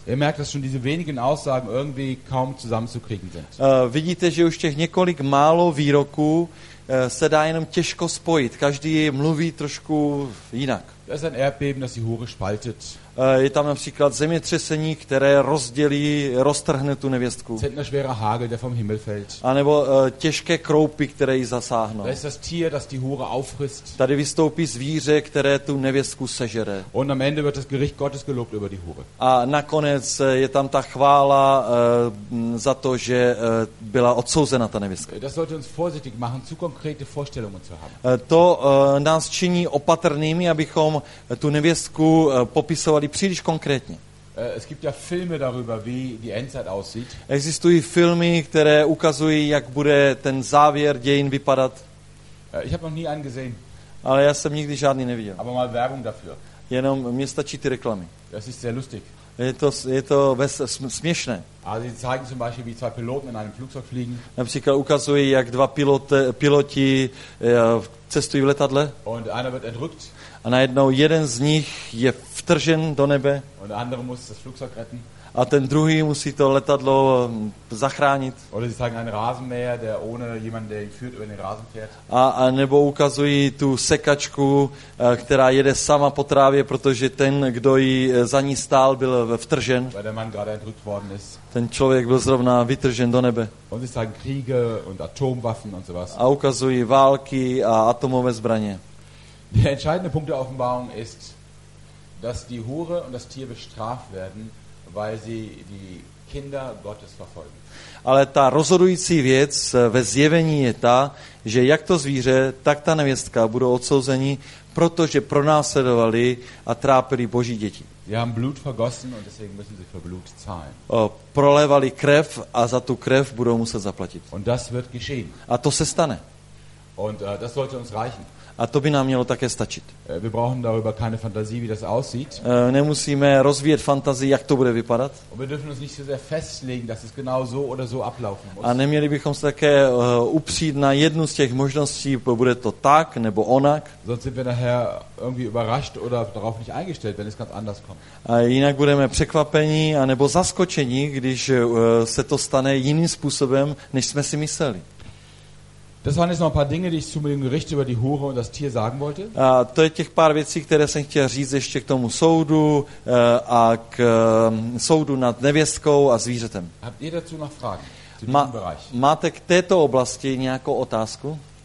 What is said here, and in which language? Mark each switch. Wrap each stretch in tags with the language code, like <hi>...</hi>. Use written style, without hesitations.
<de>Ihr merkt, dass schon diese wenigen Aussagen irgendwie kaum zusammenzukriegen sind.</de> <cs>Vidíte, že už těch několik málo výroků se dá jenom těžko spojit. Každý mluví trošku jinak.</cs> <de>Das ist ein Erdbeben, das die Hure spaltet.</de> <cs>Je tam například zemětřesení, které rozdělí, roztrhne tu nevěstku.</cs> <de>Zentner schwerer Hagel, der vom Himmel fällt.</de> <cs>A nebo těžké kroupy, které ji zasáhnou.</cs> <de>Das ist das Tier, das die Hure aufrisst.</de> <cs>Tady vystoupí zvíře, které tu nevěstku sežere.</cs> <de>Und am Ende wird das Gericht Gottes gelobt über die Hure.</de> <cs>A nakonec je tam ta chvála za to, že byla odsouzena ta nevěstka.</cs> <de>Das sollte uns vorsichtig machen, zu konkrete Vorstellungen zu haben.</de> <cs>To nás činí opatrnými, abychom tu nevěstku popisali příliš konkrétně.</cs> <de>Es gibt ja Filme darüber, wie die Endzeit aussieht.</de> <cs>Existují filmy, které ukazují, jak bude ten závěr dějin vypadat.</cs> <de>Ich habe noch nie einen gesehen.</de> <cs>Ale já jsem nikdy žádný neviděl.</cs> <de>Aber mal Werbung dafür.</de> <cs>Jenom mě stačí ty reklamy.</cs> <de>Das ist sehr lustig.</de> <cs>Je to směšné.</cs> <de>Also sie zeigen zum Beispiel, wie zwei Piloten in einem Flugzeug fliegen.</de> <cs>Například ukazují, jak dva piloti cestují v letadle.</cs> <de>Und einer wird entrückt.</de> <cs>A najednou jeden z nich je vtržen do nebe.</cs> <de>Und andere muss das Flugzeug retten.</de> <cs>A ten druhý musí to letadlo zachránit.</cs> <de>Oder sie zeigen einen Rasenmäher, der ohne jemanden, der ihn führt, über den Rasen fährt.</de> <cs>A nebo ukazují tu sekačku, která jede sama po trávě, protože ten, kdo ji za ní stál, byl vtržen.</cs> <de>Weil der Mann gerade entrückt worden ist.</de> <cs>Ten člověk byl zrovna vytržen do nebe.</cs> <de>Und sie zeigen Kriege und Atomwaffen und sowas.</de> <cs>A ukazují války a atomové zbraně.</cs> <de>Der entscheidende Punkt der Offenbarung ist, dass die Hure und das Tier bestraft werden, weil sie die Kinder Gottes verfolgen.</de> <cs>Ale ta rozhodující věc ve zjevení je ta, že jak to zvíře, tak ta nevěstka budou odsouzeni, protože pronásledovali a trápili Boží děti.</cs> <de>Sie haben Blut vergossen und deswegen müssen sie für Blut zahlen.</de> <cs>Prolévali krev a za tu krev budou muset zaplatit.</cs> <de>Und das wird geschehen.</de> <cs>A to se stane.</cs> <de>Und das sollte uns reichen.</de> <cs>A to by nám mělo také stačit.</cs> <de>Wir brauchen darüber keine Fantasie, wie das aussieht.</de> <cs>Nemusíme rozvíjet fantazii, jak to bude vypadat.</cs> <de>Und wir dürfen uns nicht so sehr festlegen, dass es genau so oder so ablaufen muss.</de> <cs>A neměli bychom se také upřít na jednu z těch možností, bude to tak nebo onak.</cs> <de>Sonst sind wir nachher irgendwie überrascht oder darauf nicht eingestellt, wenn es ganz anders kommt.</de> <cs>A jinak budeme překvapení a nebo zaskočení, když se to stane jiným způsobem, než jsme si mysleli.</cs> <de>Das waren jetzt noch ein paar Dinge, die ich zum Gericht über die Hure und das Tier sagen wollte.</de> <cs>A to je těch pár věcí, které jsem chtěl říct ještě k tomu soudu a k soudu nad nevěstkou a zvířetem.</cs> <de>Habt ihr dazu noch Fragen zu diesem Bereich?</de> <cs>Máte k této oblasti nějakou otázku?</cs>